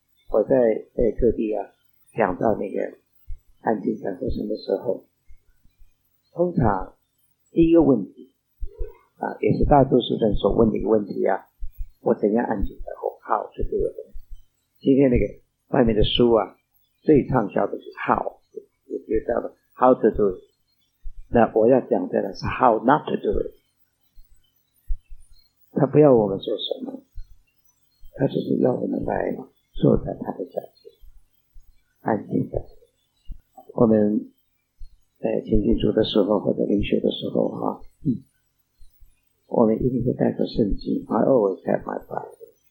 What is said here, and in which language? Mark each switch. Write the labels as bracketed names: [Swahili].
[Chinese] 我在各地啊讲到那个安静感受什么时候，通常第一个问题啊，也是大多数人所问的一个问题啊，我怎样安静感受？好，这第二个。今天那个外面的书啊，最畅销的是 [English] How， [Chinese] 也就叫做 [English] How to do it。 [Chinese] 那我要讲的是 [English] How not to do it。 [Chinese] 他不要我们做什么，他只是要我们来坐在他的脚前，安静的。我们在亲近主的时候，或者灵修的时候，我们一定会带着圣经。 [English] I always have my Bible。